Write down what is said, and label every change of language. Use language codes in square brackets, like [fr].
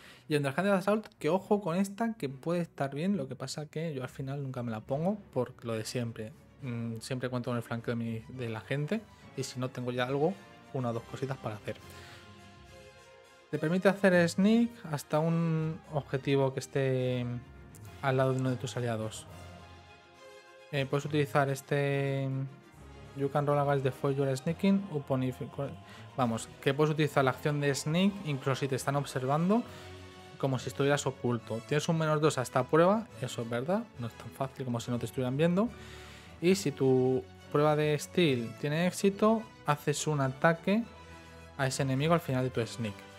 [es] Y Underhand de Assault, que ojo con esta, que puede estar bien, lo que pasa que yo al final nunca me la pongo, por lo de siempre. Siempre cuento con el flanqueo de la gente, y si no tengo ya algo, una o dos cositas para hacer. Te permite hacer sneak hasta un objetivo que esté al lado de uno de tus aliados. Puedes utilizar este... [en] You can roll against the foe you're sneaking upon if... [es] Vamos, que puedes utilizar la acción de sneak, incluso si te están observando, como si estuvieras oculto. Tienes un menos 2 a esta prueba, eso es verdad, no es tan fácil como si no te estuvieran viendo. Y si tu prueba de steel tiene éxito, haces un ataque a ese enemigo al final de tu sneak.